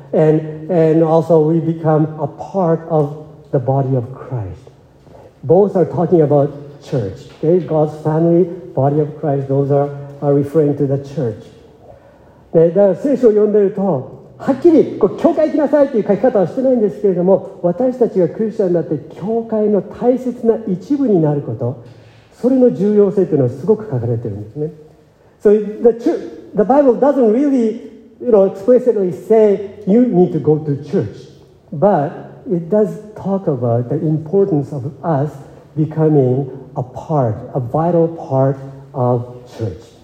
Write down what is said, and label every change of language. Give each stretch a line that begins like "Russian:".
English: And also we become a part of the body of Christ. Both are talking about church, okay? God's family, body of Christ, those are referring to the church.
Japanese: で、だから聖書を読んでると、はっきりこう教会行きなさいっていう書き方はしてないんですけれども、私たちがクリスチャンになって教会の大切な一部になること、それの重要性というのはすごく書かれているんですね。
English: So the Bible doesn't really, you know, explicitly say you need to go to church, but it does talk about the importance of us becoming a part, a vital part of church.